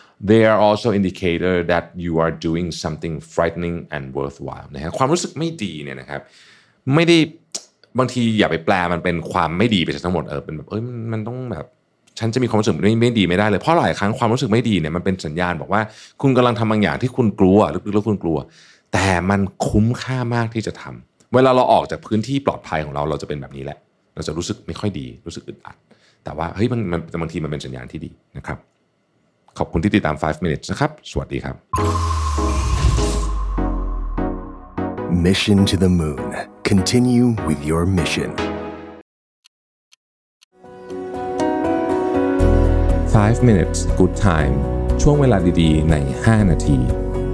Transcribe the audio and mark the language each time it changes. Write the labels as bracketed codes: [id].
[en] They are also indicator that you are doing something frightening and worthwhile. [th] นะครับความรู้สึกไม่ดีเนี่ยนะครับไม่ได้บางทีอย่าไปแปลมันเป็นความไม่ดีไปซะทั้งหมดเป็นแบบมันต้องแบบฉันจะมีความรู้สึกไม่ดีไม่ได้เลยเพราะหลายครั้งความรู้สึกไม่ดีเนี่ยมันเป็นสัญญาณบอกว่าคุณกำลังทำบางอย่างที่คุณกลัวลึกๆแล้วคุณกลัว แต่มันคุ้มค่ามากที่จะทำเวลาเราออกจากพื้นที่ปลอดภัยของเราจะเป็นแบบนี้แหละเราจะรู้สึกไม่ค่อยดีรู้สึกอึดอัดแต่ว่าเฮ้ยมันบางทีมันเป็นสัญญาณที่ดีนะครับขอบคุณที่ติดตาม5 minutes นะครับสวัสดีครับ [en] Mission to the Moon Continue with your mission 5 minutes good time [th] ช่วงเวลาดีๆใน5นาที